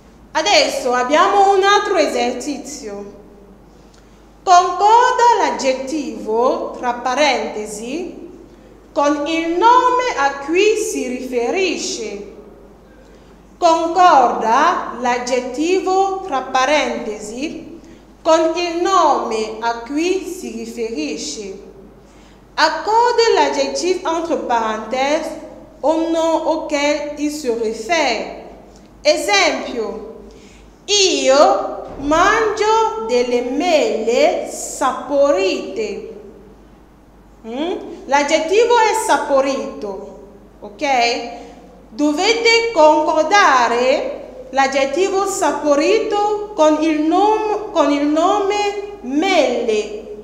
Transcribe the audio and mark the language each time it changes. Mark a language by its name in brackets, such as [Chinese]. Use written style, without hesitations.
[Italian] Adesso abbiamo un altro esercizio. Concorda l'aggettivo tra parentesi con il nome a cui si riferisce. Concorda l'aggettivo tra parentesi con il nome a cui si riferisce. [French] Accorde l'aggettivo entre parentesi au nom auquel il se réfère. [Italian] Esempio: io mangio delle mele saporite. L'aggettivo è saporito, ok? Dovete concordare l'aggettivo saporito con il nome mele.